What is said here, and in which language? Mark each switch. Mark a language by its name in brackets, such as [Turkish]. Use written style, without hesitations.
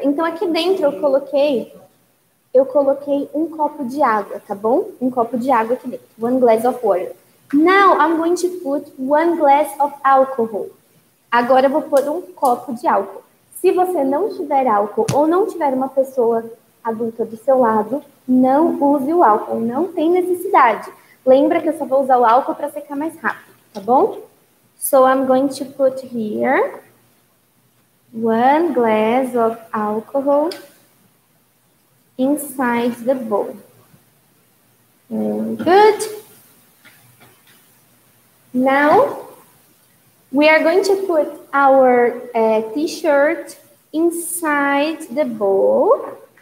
[Portuguese] Então, aqui dentro eu coloquei um copo de água, tá bom? Um copo de água aqui dentro. [English] One glass of water. Now, I'm going to put one glass of alcohol. [Portuguese] Agora, eu vou pôr um copo de álcool. Se você não tiver álcool ou não tiver uma pessoa adulta do seu lado, não use o álcool. Não tem necessidade. Lembra que eu só vou usar o álcool para secar mais rápido, tá bom? [English] So, I'm going to put here one glass of alcohol inside the bowl. Good. Now, we are going to put our t-shirt inside the bowl.